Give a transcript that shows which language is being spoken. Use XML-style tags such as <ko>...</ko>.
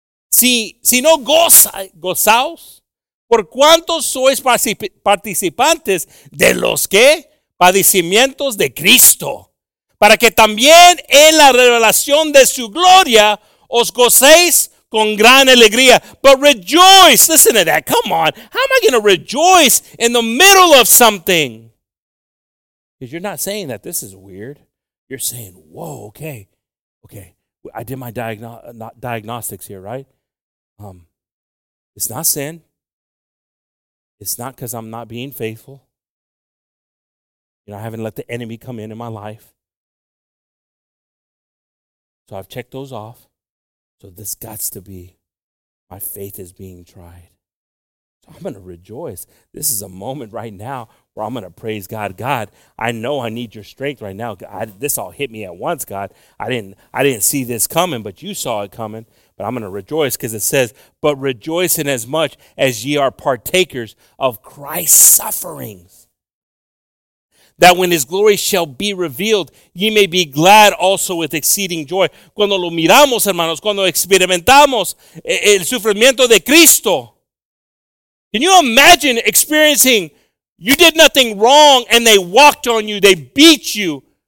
<es>Si no gozaos, por cuanto sois participantes de los que padecimientos de Cristo, para que también en la revelación de su gloria os gocéis con gran alegría.</es> <en>But rejoice, listen to that, come on. How am I going to rejoice in the middle of something? Because you're not saying that this is weird. You're saying, whoa, okay. I did my diagnostics here, right? It's not sin. It's not because I'm not being faithful. You know, I haven't let the enemy come in my life. So I've checked those off. So this gots to be, my faith is being tried. So I'm going to rejoice. This is a moment right now where I'm going to praise God. God, I know I need your strength right now. This all hit me at once, God. I didn't see this coming, but you saw it coming. But I'm going to rejoice because it says, but rejoice in as much as ye are partakers of Christ's sufferings. That when his glory shall be revealed, ye may be glad also with exceeding joy.</en> <es>Cuando lo miramos, hermanos, cuando experimentamos el sufrimiento de Cristo.</es> <en>Can you imagine experiencing you did nothing wrong and they walked on you, they beat you.</en>